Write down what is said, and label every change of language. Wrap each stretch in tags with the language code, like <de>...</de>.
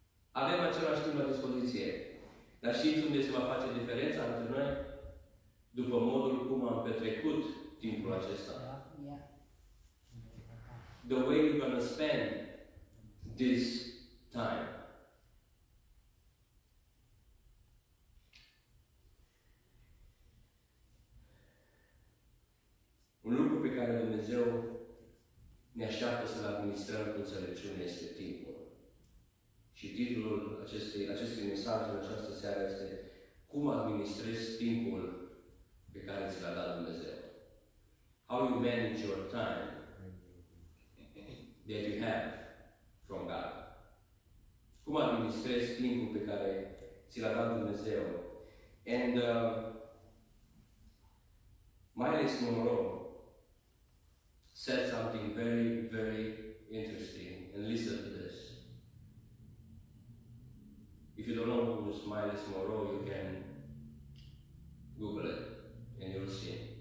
<ro>Avem același timp la dispoziție. Dar știți unde se va face diferența între noi? După modul cum am petrecut timpul acesta.</ro> <en>The way you're going to spend this time.</en> <ro>Un lucru pe care Dumnezeu ne așteaptă să-l administrăm cu înțelepciune este timpul. Și titlul acestui mesaj în această seară este Cum administrezi timpul pe care ți l-a dat Dumnezeu?</ro> <en>How you manage your time that you have from God?</en> <ro>Cum administrezi timpul pe care ți l-a dat Dumnezeu?</ro> <en>And Miles Monroe said something very, very interesting. And listen to this. If you don't know who is Miles Monroe, you can Google it and you'll see it.</en>